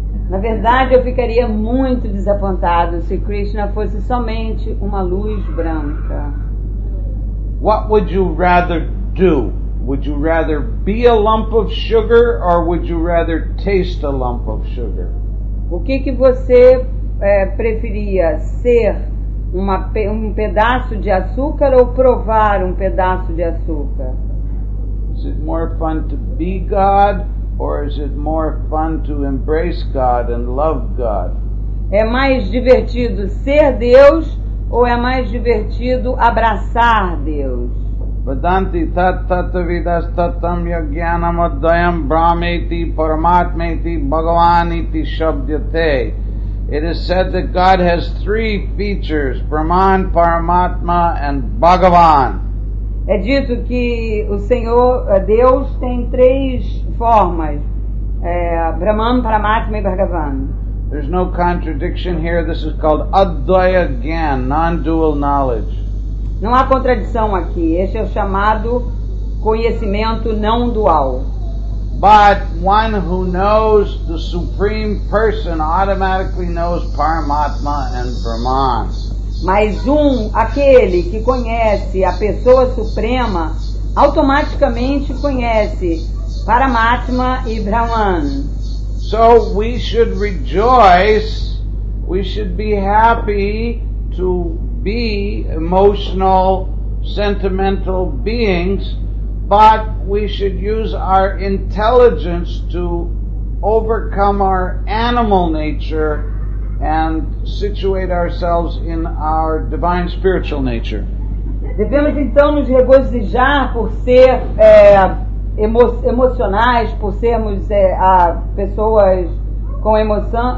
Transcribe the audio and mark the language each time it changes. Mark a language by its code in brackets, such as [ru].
[pt] Na verdade, eu ficaria muito desapontado se Krishna fosse somente uma luz branca. [en] What would you rather do? Would you rather be a lump of sugar or would you rather taste a lump of sugar? [pt] O que que você preferia ser? Um pedaço de açúcar ou provar um pedaço de açúcar? [en] Is it more fun to be God or is it more fun to embrace God and love God? [pt] É mais divertido ser Deus ou é mais divertido abraçar Deus? [sa] Vedanti tat tatavidas tatam yajnanam adyam brahmeti paramatmeti bhagavaniti shabdyate. [en] It is said that God has three features, Brahman, Paramatma, and Bhagavan. [pt] É dito que o Senhor, Deus, tem três formas, Brahman, Paramatma e Bhagavan. [en] There's no contradiction here. This is called Advaita Gyan, non-dual knowledge. [pt] Não há contradição aqui. Este é o chamado conhecimento não dual. [en] But one who knows the Supreme Person automatically knows Paramatma and Brahman. [pt] Mas aquele que conhece a pessoa suprema, automaticamente conhece Paramatma e Brahman. [en] So we should rejoice, we should be happy to be emotional, sentimental beings, but we should use our intelligence to overcome our animal nature and situate ourselves in our divine spiritual nature. [pt] Devemos então nos regozijar por ser emocionais, por sermos pessoas com emoção.